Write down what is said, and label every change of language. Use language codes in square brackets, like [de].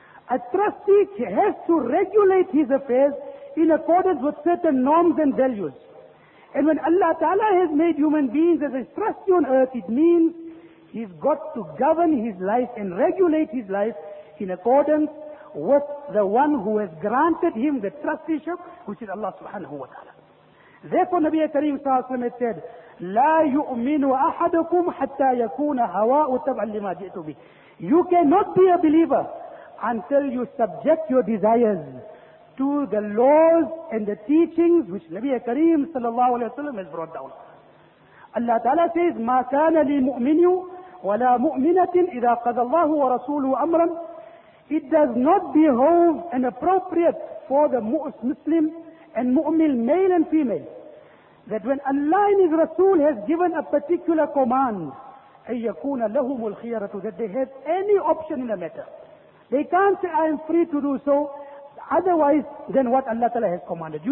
[en] A trustee has to regulate his affairs in accordance with certain norms and values. And when Allah Ta'ala has made human beings as a trustee on earth, it means he's got to govern his life and regulate his life in accordance with the one who has granted him the trusteeship, which is Allah subhanahu wa ta'ala. Therefore, Nabi Kareem sallallahu alayhi wa sallam said, [ar] لَا يُؤْمِنُ أَحَدَكُمْ حَتَّى يَكُونَ هَوَاءُ تَبْعًا لِمَا جِئْتُ بِهِ. [en] You cannot be a believer until you subject your desires to the laws and the teachings which Nabi Kareem sallallahu alayhi wa sallam has brought down. Allah Ta'ala says, [ar] مَا كَانَ لِمُؤْمِنِي وَلَا مُؤْمِنَةٍ إِذَا قَضَى اللَّهُ وَرَسُولُهُ أَمْرًا. [en] It does not behove and appropriate for the Muslim and mu'min, male and female, that when Allah and His Rasul has given a particular command, [ar] أَيَّكُونَ لَهُمُ الْخِيَرَةُ, [en] that they have any option in the matter. They can't say, I am free to do so, otherwise than what Allah Ta'ala has commanded.